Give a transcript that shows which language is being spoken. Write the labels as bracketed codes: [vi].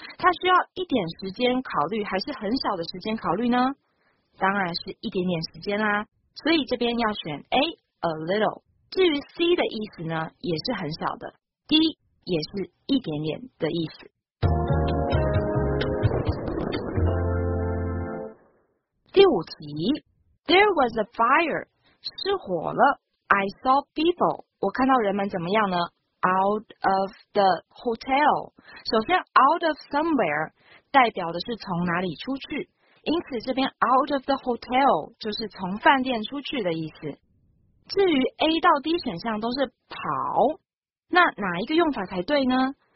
[zh] 它需要一点时间考虑还是很少的时间考虑呢？当然是一点点时间啦，所以这边要选 A a little。至于 C 的意思呢，也是很少的， D 也是一点点的意思。第五题， [en] There was a fire， [zh] 失火了。 [en] I saw people， [zh] 我看到人们怎么样呢？ [en] Out of the hotel， [zh] 首先 out of somewhere 代表的是从哪里出去，因此这边 out of the hotel 就是从饭店出去的意思。至于 A 到 D 选项都是跑，那哪一个用法才对呢？